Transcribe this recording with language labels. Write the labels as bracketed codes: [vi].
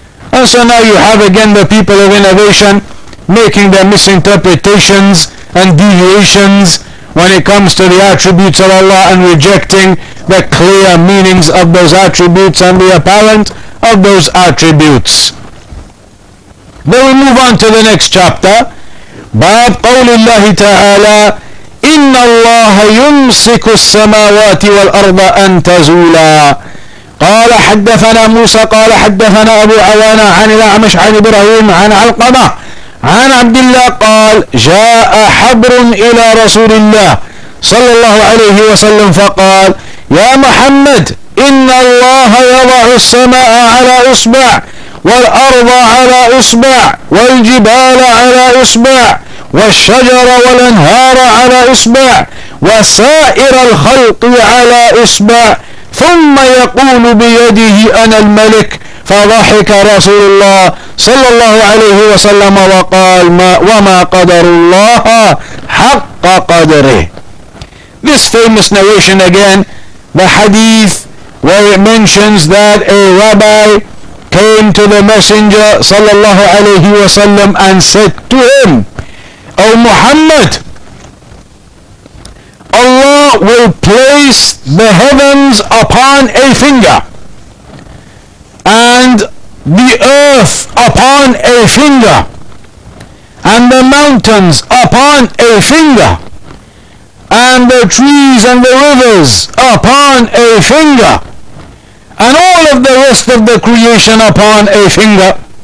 [en] And so now you have again the people of innovation making their misinterpretations and deviations when it comes to the attributes of Allah and rejecting the clear meanings of those attributes and the apparent of those attributes. Then we move on to the next chapter. [ar] باب قول الله تعالى إن الله يمسك السماوات والأرض أن تزولا. قال حدثنا موسى قال حدثنا أبو عوانة عن الأعمش عن إبراهيم عن علقمة عن عبد الله قال جاء حبر إلى رسول الله صلى الله عليه وسلم فقال يا محمد إن الله يضع السماء على إصبع والأرض على إصبع والجبال على إصبع والشجر والأنهار على إصبع وسائر الخلق على إصبع ثم يقول بيده أنا الملك فضحك رسول الله صلى الله عليه وسلم وقال ما وما قدر الله حق قدره. [en] This famous narration again, the hadith where it mentions that a rabbi came to the messenger sallallahu alayhi wa sallam and said to him, O Muhammad, Allah will place the heavens upon a finger and the earth upon a finger and the mountains upon a finger and the trees and the rivers upon a finger and all of the rest of the creation upon a finger.